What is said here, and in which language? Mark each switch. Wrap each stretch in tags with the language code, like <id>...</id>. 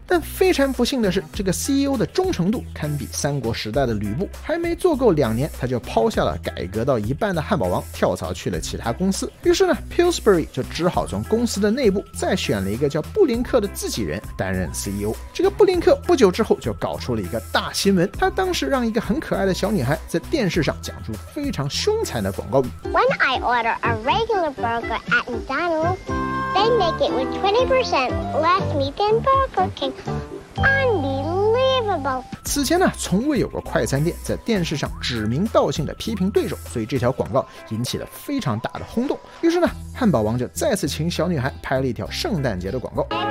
<zh>但非常不幸的是，这个 CEO 的忠诚度堪比三国时代的吕布，还没做够2年，他就抛下了改革到一半的汉堡王，跳槽去了其他公司。于是呢， Pillsbury 就只好从公司的内部再选了一个叫布林克的自己人担任 CEO。这个布林克不久之后就搞出了一个大新闻，他当时让一个很可爱的小女孩在电视上讲出非常凶残的广告语。</zh> <en>When I order a regular burger at McDonald's, they make it with 20% less meat than Burger King. Unbelievable.</en> <zh>此前呢，从未有过快餐店在电视上指名道姓的批评对手，所以这条广告引起了非常大的轰动。于是呢，汉堡王就再次请小女孩拍了一条圣诞节的广告。</zh>